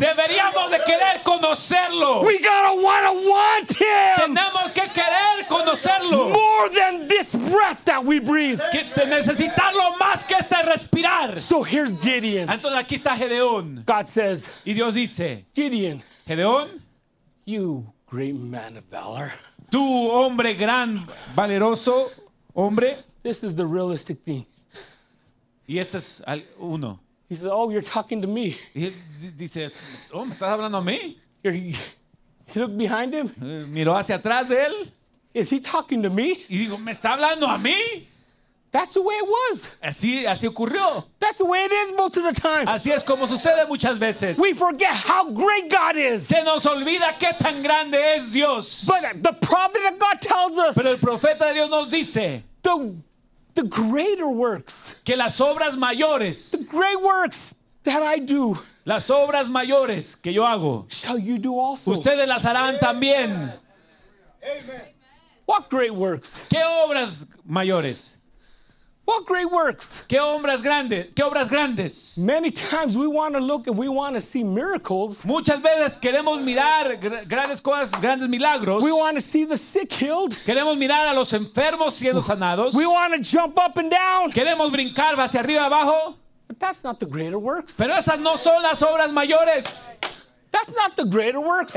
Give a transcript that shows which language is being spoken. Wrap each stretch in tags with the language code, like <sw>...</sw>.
<es>Deberíamos de querer conocerlo!</es> <en>We gotta wanna want Him!</en> <es>Tenemos que querer conocerlo!</es> <en>More than this breath that we breathe!</en> <es>Que necesitarlo más que este respirar!</es> <en>So here's Gideon!</en> <es>Entonces aquí está Gedeón!</es> <en>God says,</en> <es>y Dios dice,</es> <en>Gideon!</en> <es>Gedeón!</es> <en>You great man of valor!</en> <es>Tú, hombre gran, valeroso, hombre.</es> <en>This is the realistic thing.</en> <es>Y este es uno.</es> <en>He says, oh, you're talking to me.</en> <es>Y dice, oh, ¿me estás hablando a mí?</es> <en>He looked behind him.</en> <es>Miró hacia atrás de él.</es> <en>Is he talking to me?</en> <es>Y digo, ¿me está hablando a mí?</es> <en>That's the way it was.</en> <es>Así ocurrió.</es> <en>That's the way it is most of the time.</en> <es>Así es como sucede muchas veces.</es> <en>We forget how great God is.</en> <es>Se nos olvida qué tan grande es Dios.</es> <en>But the prophet of God tells us.</en> <es>Pero el profeta de Dios nos dice.</es> <en>The greater works.</en> <es>Que las obras mayores.</es> <en>The great works that I do.</en> <es>Las obras mayores que yo hago.</es> <en>Shall you do also?</en> <es>Ustedes las harán amen. También.</es> <en>Amen. What great works?</en> <es>¿Qué obras mayores?</es> <en>What great works!</en> <es>¿Qué obras grandes? ¿Qué obras grandes?</es> <en>Many times we want to look and we want to see miracles.</en> <es>Muchas veces queremos mirar grandes cosas, grandes milagros.</es> <en>We want to see the sick healed.</en> <es>Queremos mirar a los enfermos siendo sanados.</es> <en>We want to jump up and down.</en> <es>Queremos brincar hacia arriba abajo.</es> <en>But that's not the greater works.</en> <es>Pero esas no son las obras mayores.</es> <en>That's not the greater works.</en>